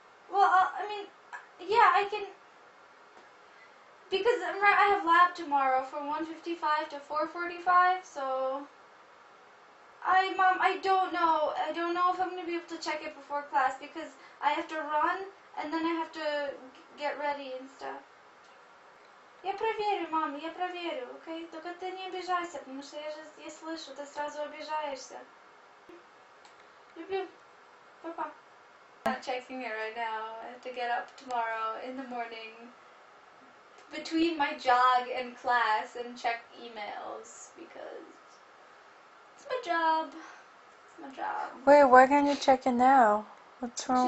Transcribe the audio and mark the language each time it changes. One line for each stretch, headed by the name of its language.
English: Well, I mean, yeah, I can, because I have lab tomorrow from 1:55 to 4:45, so I don't know if I'm going to be able to check it before class, because I have to run, and then I have to get ready and stuff.
Russian: Я проверю, мам, я проверю, окей? Только ты не обижайся, потому что я слышу, ты сразу обижаешься. Люблю. Папа.
English: I'm not checking it right now. I have to get up tomorrow in the morning between my jog and class and check emails because it's my job. It's my job. Wait, why can't you check it now? What's wrong?